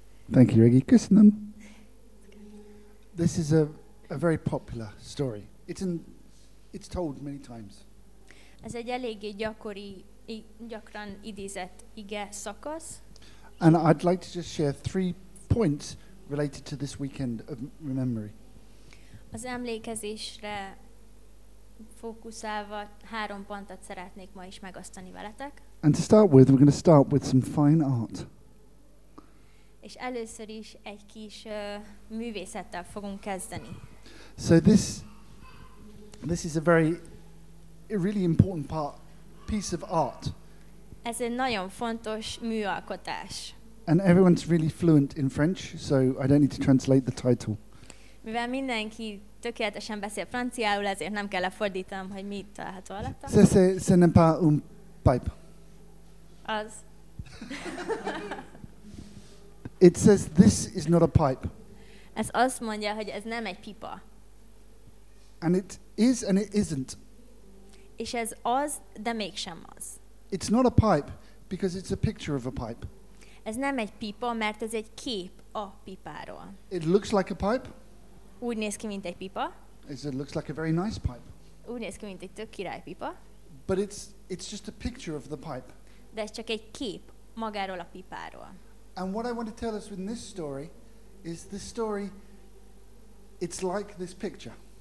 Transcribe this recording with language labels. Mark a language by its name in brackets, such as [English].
[English] Thank you, Regi. [Hungarian] Köszönöm. [English] This is a very popular story. It's told many times. [Hungarian] Ez egy eléggé gyakran idézett ige szakasz. [English] And I'd like to just share 3 points related to this weekend of memory. [Hungarian] Az emlékezésre fókuszálva 3 pontot szeretnék ma is megosztani veletek. [English] And to start with, we're going to start with some fine art. [Hungarian] És először is egy kis művészettel fogunk kezdeni. [English] So this is a very really important piece of art. [Hungarian] Ez egy nagyon fontos műalkotás. [English] And everyone's really fluent in French, so I don't need to translate the title. [Hungarian] Mivel mindenki tökéletesen beszél franciául, ezért nem kell lefordítanom, hogy mit található alatt. [French] Ce n'est pas un pipe. [Hungarian] Az. [English] It says this is not a pipe. [Hungarian] Ez azt mondja, hogy ez nem egy pipa. [English] And it is and it isn't. [Hungarian] És ez az, de mégsem az. [English] It's not a pipe because it's a picture of a pipe. [Hungarian] Ez nem egy pipa, mert ez egy kép a pipáról. [English] It looks like a pipe. [Hungarian] Úgy néz ki, mint egy pipa. [English] It looks like a very nice pipe. [Hungarian] Úgy néz ki, mint egy tök király pipa. [English] But it's just a picture of the pipe. [Hungarian] De ez csak egy kép magáról a pipáról. [English] And what I want to tell us with this story is this story, it's like this picture.